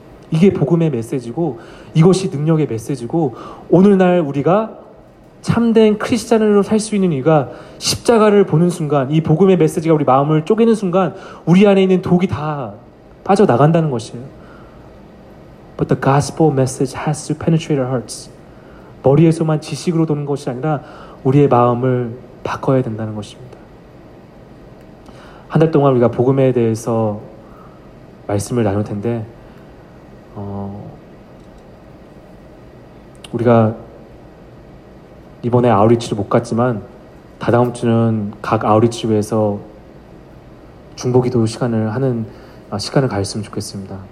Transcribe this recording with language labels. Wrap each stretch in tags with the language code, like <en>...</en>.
<ko>이게 복음의 메시지고 이것이 능력의 메시지고 오늘날 우리가 참된 크리스찬으로 살 수 있는 이유가 십자가를 보는 순간, 이 복음의 메시지가 우리 마음을 쪼개는 순간 우리 안에 있는 독이 다 빠져나간다는 것이에요.</ko> <en>But the gospel message has to penetrate our hearts.</en> <ko>머리에서만 지식으로 도는 것이 아니라 우리의 마음을 바꿔야 된다는 것입니다. 한 달 동안 우리가 복음에 대해서 말씀을 나눌 텐데 우리가 이번에 아우리치로 못 갔지만 다다음 주는 각 아우리치에서 중보기도 시간을 하는 시간을 가졌으면 좋겠습니다.</ko>